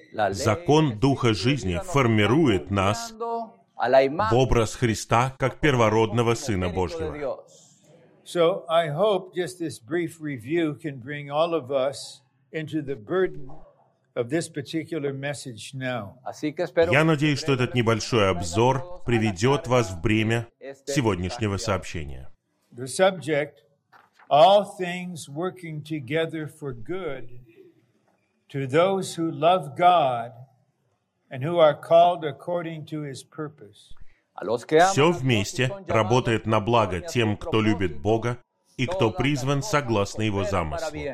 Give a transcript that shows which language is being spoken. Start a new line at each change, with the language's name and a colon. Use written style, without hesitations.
Russian: Закон Духа жизни формирует нас в образ Христа как первородного Сына Божьего.
English: So I hope just this brief review can bring all of us into the burden of this particular message now.
Russian: Я надеюсь, что этот небольшой обзор приведет вас в бремя сегодняшнего сообщения.
English: The subject: all things working together for good to those who love God and who are called according to His purpose.
Russian: Все вместе работает на благо тем, кто любит Бога и кто призван согласно Его замыслу.